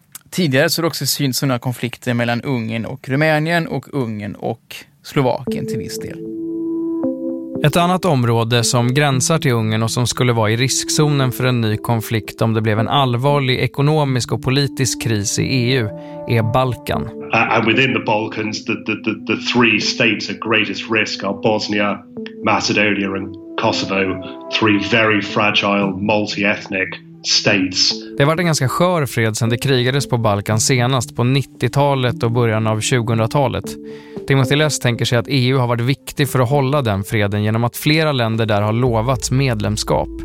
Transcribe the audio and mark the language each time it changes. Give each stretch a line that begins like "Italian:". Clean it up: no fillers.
Swedish: Tidigare så har det också synts sådana konflikter mellan Ungern och Rumänien och Ungern och Slovakien till viss del. Ett annat område som gränsar till Ungern och som skulle vara i riskzonen för en ny konflikt om det blev en allvarlig ekonomisk och politisk kris i EU är Balkan.
English: And within the Balkans, the three states at greatest risk are Bosnia, Macedonia and Kosovo, three very fragile multi-ethnic states.
Swedish: Det var en ganska skör fred sedan det krigades på Balkan senast på 90-talet och början av 2000-talet. Timothy Less tänker sig att EU har varit viktig för att hålla den freden genom att flera länder där har lovats medlemskap.